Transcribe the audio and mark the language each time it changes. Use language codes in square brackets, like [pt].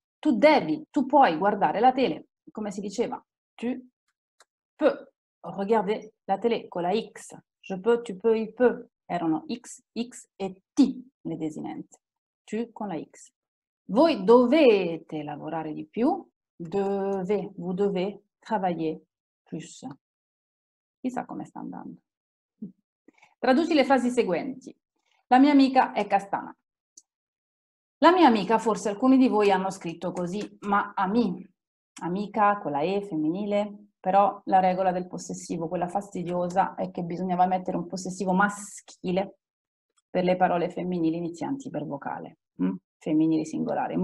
[it] Tu devi, tu puoi guardare la tele, come si diceva, [fr] tu peux regarder la tele [it] con la X. [fr] Je peux, tu peux, il peut. [it] Erano X, X e T le desinenze. Tu con la X. Voi dovete lavorare di più. Deve, [fr] vous devez travailler plus. [it] Chissà come sta andando. Traduci le frasi seguenti. La mia amica è castana. La mia amica, forse alcuni di voi hanno scritto così, ma ami, amica con la E femminile, però la regola del possessivo, quella fastidiosa, è che bisognava mettere un possessivo maschile per le parole femminili inizianti per vocale, femminile singolare.